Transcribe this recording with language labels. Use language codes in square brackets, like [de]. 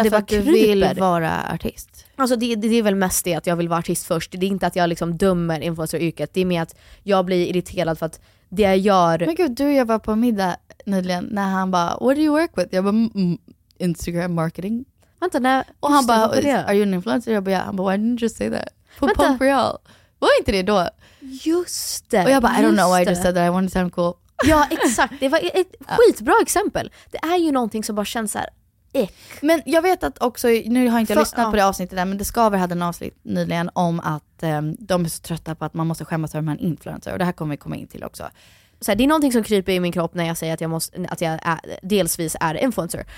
[sv] mig som det bara kryper. Du vill vara artist. Alltså det är väl mest det att jag vill vara artist först. Det är inte att jag liksom dömer influencer-yrket. Det är mer att jag blir irriterad för att det jag gör... Men gud, du och jag var på middag nyligen när han bara, [en] what do you work with? [sv] Jag bara, Instagram marketing. Vänta, när... Och han bara, [en] are you an influencer? [sv] Jag bara, [en] yeah. [sv] Han bara, [en] why didn't you say that? [sv] På vänta. Pump Real. Var inte det då? Just det. Och jag bara, [en] I don't know why I just said that. I wanted to sound cool. [sv] Ja, exakt. Det var ett skitbra exempel. Det är ju någonting som bara känns så här... Men jag vet att också, nu har jag inte lyssnat på det avsnittet där, men Discover hade en avsnitt nyligen om att de är så trötta på att man måste skämmas över de här influencer. Och det här kommer vi komma in till också. Så här, det är någonting som kryper i min kropp när jag säger att delsvis är influencer.